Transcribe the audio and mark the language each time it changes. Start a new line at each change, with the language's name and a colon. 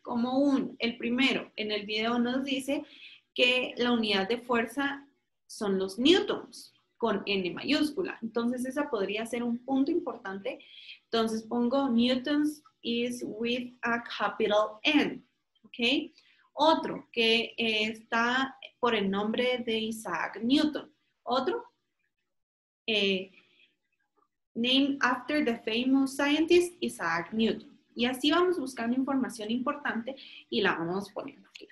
Spanish: Como el primero, en el video nos dice que la unidad de fuerza son los newtons, con N mayúscula. Entonces, esa podría ser un punto importante. Entonces, pongo
English: newtons is with a capital N.
Spanish: ¿Ok? Otro, que está por el nombre de Isaac Newton. Otro,
English: named after the famous scientist Isaac Newton.
Spanish: Y así vamos buscando información importante y la vamos poniendo aquí.